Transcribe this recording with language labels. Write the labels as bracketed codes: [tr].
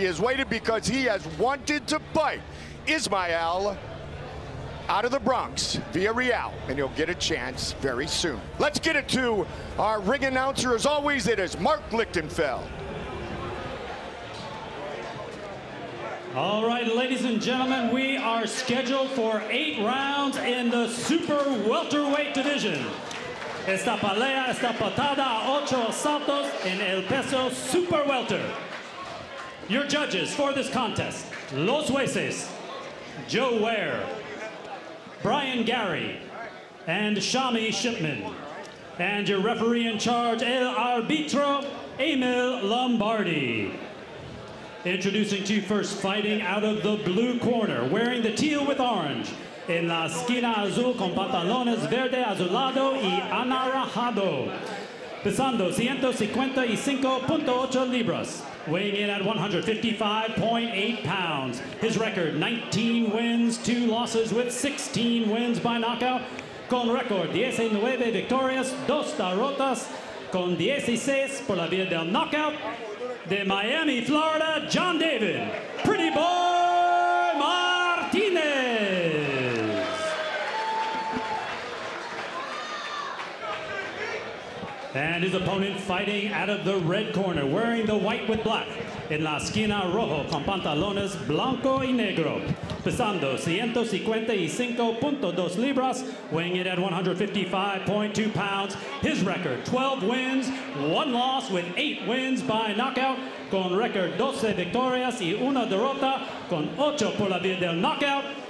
[en] He has waited because he has wanted to fight Ismael out of the Bronx, Villarreal, and you'll get a chance very soon. Let's get it to our ring announcer. As always, it is Mark Lichtenfeld. All right, ladies and gentlemen, we are scheduled for 8 rounds in the super welterweight division. [es] Esta pelea está pautada a 8 asaltos en el peso super welter. [en] Your judges for this contest, [es] los jueces, [en] Joe Ware, Brian Gary, and Shami Shipman. And your referee in charge, [es] El Arbitro, [en] Emil Lombardi. Introducing to you first, fighting out of the blue corner, wearing the teal with orange, [es] en la esquina azul con pantalones verde azulado y anaranjado. pesando 155.8 libras, [en] weighing in at 155.8 pounds. His record, 19 wins, 2 losses with 16 wins by knockout. [es] Con record, 19 victorias, 2 derrotas, con 16 por la vía del knockout. De Miami, Florida, John David, Pretty Boy Martinez. [en] And his opponent fighting out of the red corner, wearing the white with black, [es] en la esquina rojo, con pantalones blanco y negro, pesando 155.2 libras, [en] weighing it at 155.2 pounds. His record, 12 wins, 1 loss with 8 wins by knockout. [es] Con record 12 victorias y una derrota, con 8 por la vía del knockout.